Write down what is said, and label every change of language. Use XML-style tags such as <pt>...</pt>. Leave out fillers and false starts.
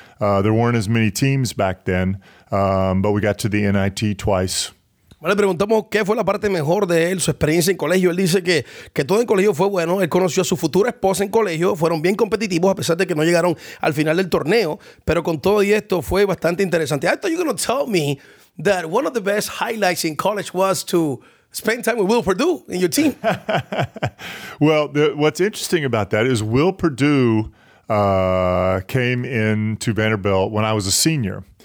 <en>There weren't as many teams back then, but we got to the NIT twice.</en> <es>Bueno, le preguntamos qué fue la parte mejor de él, su experiencia en colegio. Él dice que todo en colegio fue bueno. Él conoció a su futura esposa en colegio. Fueron bien competitivos, a pesar de que no llegaron al final del torneo.</es> <en>Pero con todo y esto, fue bastante interesante. I thought you were going to tell me that one of the best highlights in college was to spend time with Will Perdue and your team. Well, what's interesting about that is Will Perdue came into Vanderbilt when I was a senior.</en>